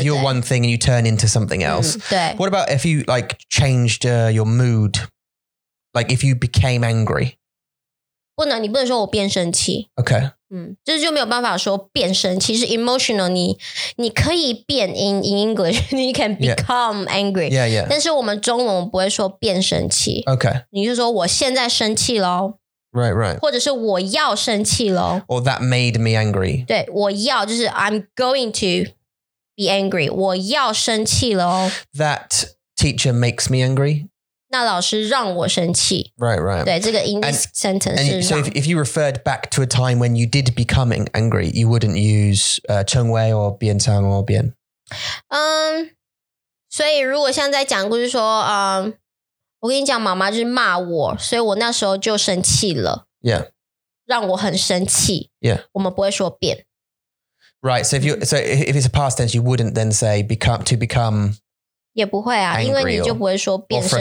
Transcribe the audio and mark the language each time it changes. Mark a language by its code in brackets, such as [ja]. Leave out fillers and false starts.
[en] if you're one thing and you turn into something else、 [zh] 嗯、对 [en] What about if you like changed your mood like if you became angry [zh] 不能你不能说我变生气 [en] OK [zh] 嗯，就是就没有办法说变生气是 emotional 你可以变 [en] in English [zh] 你 can become、 [en] angry yeah, yeah. [zh] 但是我们中文不会说变生气 [en] OK [zh] 你就说我现在生气咯 [en] Right, right. [zh] 或者是我要生气咯。 [en] Or that made me angry. [zh] 对,我要,就是 [en] I'm going to be angry. [zh] 我要生气咯。 [en] That teacher makes me angry. [zh] 那老师让我生气。 [en] Right, right. [zh] 对,这个 [en] in this sentence [zh] 是让。 [en] So if you referred back to a time when you did become angry, you wouldn't use 成为 or 变成 or 变。 [zh] 所以如果现在讲故事说我跟你讲，妈妈就是骂我，所以我那时候就生气了。 [en] Yeah， [zh] 让我很生气。 [en] Yeah， [zh] 我们不会说变。 [en] Right， so if you so if it's a past tense, you wouldn't then say become to become。 [zh] 也不会啊，因为你就不会说变生